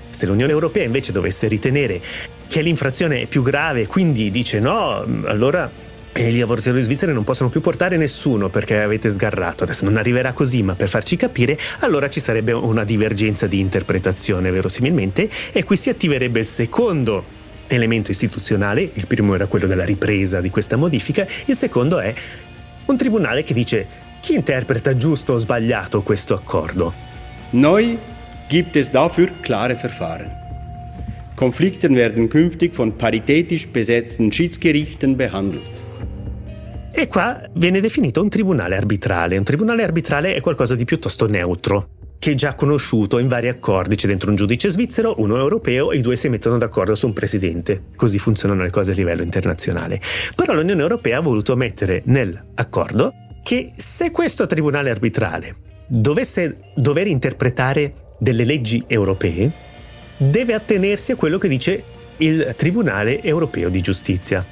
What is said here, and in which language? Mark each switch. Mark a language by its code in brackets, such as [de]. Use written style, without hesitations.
[it] Se l'Unione Europea invece dovesse ritenere che l'infrazione è più grave, quindi dice no, allora gli lavoratori svizzeri non possono più portare nessuno perché avete sgarrato, adesso non arriverà così, ma per farci capire, allora ci sarebbe una divergenza di interpretazione verosimilmente, e qui si attiverebbe il secondo elemento istituzionale. Il primo era quello della ripresa di questa modifica, il secondo è un tribunale che dice chi interpreta giusto o sbagliato questo accordo. [de] Neu gibt es dafür klare Verfahren. Konflikten werden künftig von paritätisch besetzten Schiedsgerichten behandelt. [it] E qua viene definito un tribunale arbitrale. Un tribunale arbitrale è qualcosa di piuttosto neutro, che è già conosciuto in vari accordi. C'è dentro un giudice svizzero, uno europeo, e i due si mettono d'accordo su un presidente. Così funzionano le cose a livello internazionale. Però l'Unione Europea ha voluto mettere nell'accordo che se questo tribunale arbitrale dovesse dover interpretare delle leggi europee, deve attenersi a quello che dice il Tribunale Europeo di Giustizia.